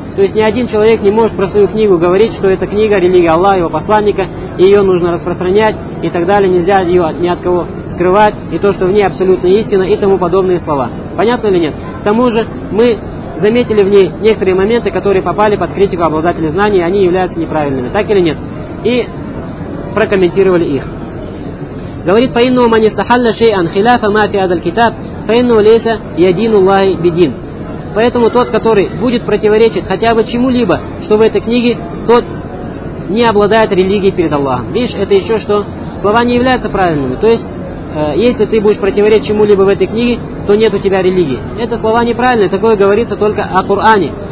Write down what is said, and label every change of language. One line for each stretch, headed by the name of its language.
Russian: То есть ни один человек не может про свою книгу говорить, что эта книга религия Аллаха и его посланника, и ее нужно распространять и так далее, нельзя ее ни от кого скрывать, и то, что в ней абсолютная истина и тому подобные слова. Понятно или нет? К тому же мы заметили в ней некоторые моменты, которые попали под критику обладателей знаний, и они являются неправильными, так или нет? И прокомментировали их. Говорит,
Arabic: فَإِنُّوا مَنْ يَسْتَحَلَّ شَيْءًا خِلَافَ مَا فِي هَذَا الْكِتَابِ فَإِنُّوا لَيْسَ يَدِينُ اللَّهِ بِدِينٍ.
Russian: Поэтому тот, который будет противоречить хотя бы чему-либо, что в этой книге, тот не обладает религией перед Аллахом. Видишь, это еще что? Слова не являются правильными. То есть если ты будешь противоречить чему-либо в этой книге, то нет у тебя религии. Это слова неправильные, такое говорится только о Коране.